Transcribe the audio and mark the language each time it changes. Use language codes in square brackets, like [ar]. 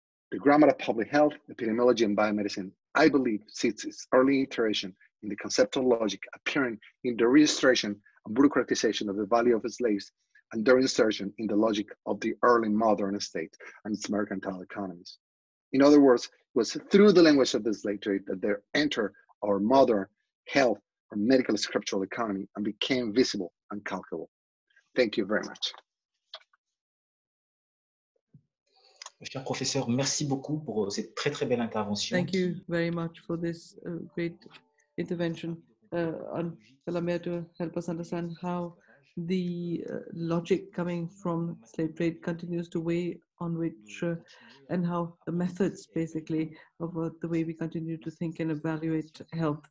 [en] The grammar of public health, epidemiology, and biomedicine, I believe, sees its early iteration in the conceptual logic appearing in the registration and bureaucratization of the value of slaves and their insertion in the logic of the early modern state and its mercantile economies. In other words, it was through the language of the slave trade that they entered our modern health or medical scriptural economy and became visible and calculable. Thank you very much. [fr] Cher professeur, merci beaucoup pour cette très très belle intervention. [en] Thank you very much for this great intervention on Telomere to help us understand how the logic coming from slave trade continues to weigh on which and how the methods basically of the way we continue to think and evaluate health.